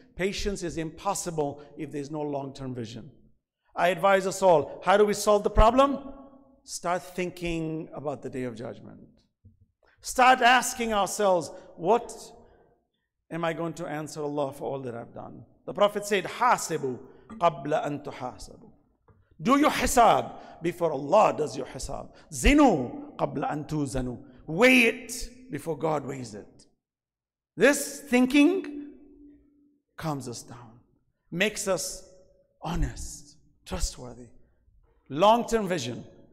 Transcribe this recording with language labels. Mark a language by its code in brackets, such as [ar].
[en] Patience is impossible if there's no long-term vision. I advise us all, how do we solve the problem? Start thinking about the Day of Judgment. Start asking ourselves, what am I going to answer Allah for all that I've done? The Prophet said, [ar] حَاسِبُ قَبْلَ أَن تُحَاسَبُ. [en] Do your hisab before Allah does your hisab. [ar] زِنُوا قَبْلَ أَن تُوزَنُوا. [en] Weigh it before God weighs it. This thinking calms us down, makes us honest, trustworthy. Long-term vision.